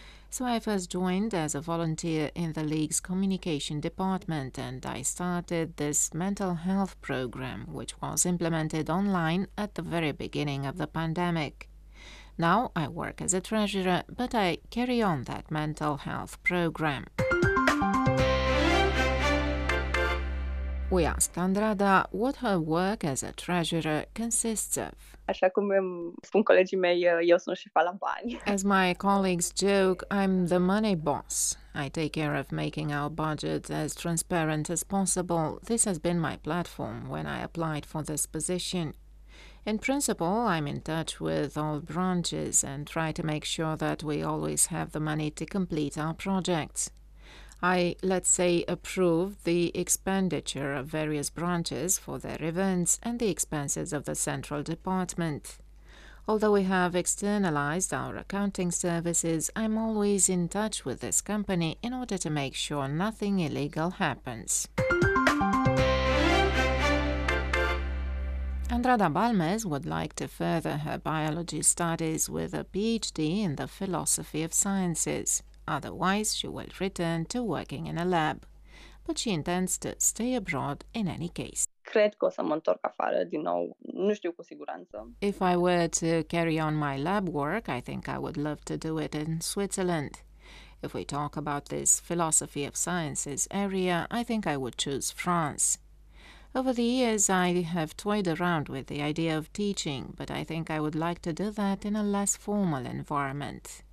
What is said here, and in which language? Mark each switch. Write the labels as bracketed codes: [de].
[en] So I first joined as a volunteer in the League's communication department, and I started this mental health program, which was implemented online at the very beginning of the pandemic. Now I work as a treasurer, but I carry on that mental health program. We asked Andrada what her work as a treasurer consists of. [ro] Așa cum spun colegii mei, eu sunt șefa la bani. [en] As my colleagues joke, I'm the money boss. I take care of making our budget as transparent as possible. This has been my platform when I applied for this position. In principle, I'm in touch with all branches and try to make sure that we always have the money to complete our projects. I, let's say, approve the expenditure of various branches for their events and the expenses of the central department. Although we have externalized our accounting services, I'm always in touch with this company in order to make sure nothing illegal happens. Andrada Balmes would like to further her biology studies with a PhD in the philosophy of sciences. Otherwise, she will return to working in a lab. but she intends to stay abroad in any case. [ro] Cred că o să mă întorc afară din nou, nu știu cu siguranță. [en] If I were to carry on my lab work, I think I would love to do it in Switzerland. If we talk about this philosophy of sciences area, I think I would choose France. Over the years, I have toyed around with the idea of teaching, but I think I would like to do that in a less formal environment.